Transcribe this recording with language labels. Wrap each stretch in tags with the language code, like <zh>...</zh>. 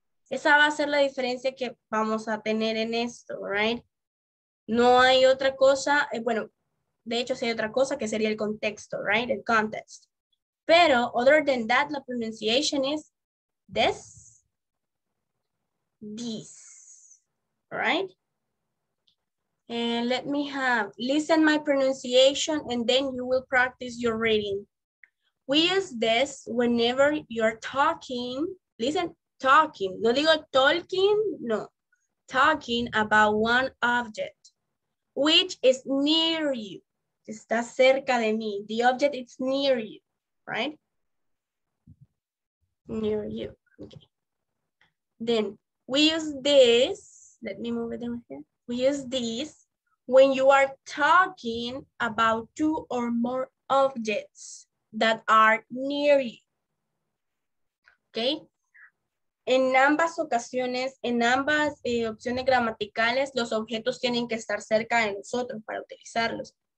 <es>Esa va a ser la diferencia que vamos a tener en esto, right? No hay otra cosa, bueno, de hecho sí hay otra cosa que sería el contexto, right? El context.</es> <en>Pero, other than that, la pronunciation is this, this, right? And let me have, listen my pronunciation and then you will practice your reading. We use this whenever you're talking, listen, talking.</en> <es>No digo talking, no.</es> <en>Talking about one object. Which is near you.</en> <es>Está cerca de mí.</es> <en>The object is near you, right? Near you, okay. Then we use this, let me move it down here. We use this when you are talking about two or more objects that are near you, okay?</en> <es>En ambas ocasiones, en ambas opciones gramaticales, los objetos tienen que estar cerca de nosotros para utilizarlos.</es>